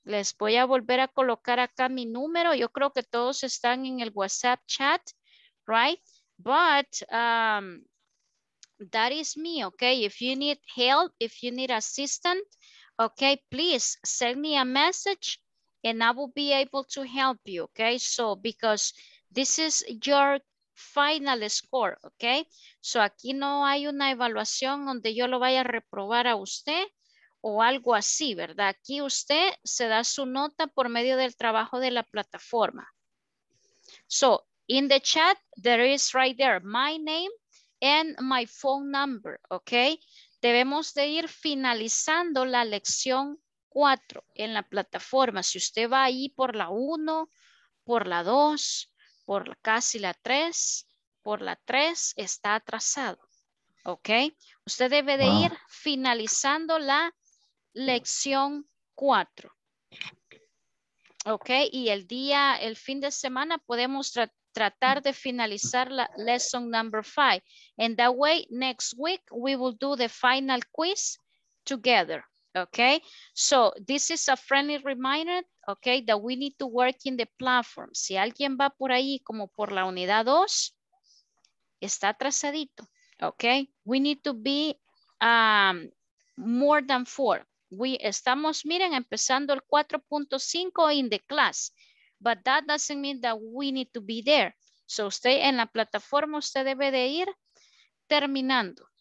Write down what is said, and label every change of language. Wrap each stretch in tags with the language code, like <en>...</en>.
<es>Les voy a volver a colocar acá mi número. Yo creo que todos están en el WhatsApp chat, right?</es> <en>But that is me, okay? If you need help, if you need assistance, okay, please send me a message and I will be able to help you, okay? So because this is your final score, okay?</en> <es>So aquí no hay una evaluación donde yo lo vaya a reprobar a usted o algo así, ¿verdad? Aquí usted se da su nota por medio del trabajo de la plataforma.</es> <en>So in the chat, there is right there my name and my phone number, okay?</en> <es>Debemos de ir finalizando la lección 4 en la plataforma. Si usted va ahí por la 1, por la 2, por casi la 3, por la 3 está atrasado, ¿ok? Usted debe de ir finalizando la lección 4, ¿ok? Y el día, el fin de semana podemos tratar de finalizar la</es> <en>lesson number 5. And that way, next week, we will do the final quiz together, ¿ok? So, this is a friendly reminder. Okay, that we need to work in the platform.</en> <es>Si alguien va por ahí como por la unidad 2, está atrasadito.</es> <en>Okay, we need to be more than 4.</en> <es>We estamos, miren, empezando el 4.5</es> <en>in the class. But that doesn't mean that we need to be there.</en> <es>So usted en la plataforma, usted debe de ir terminando.</es>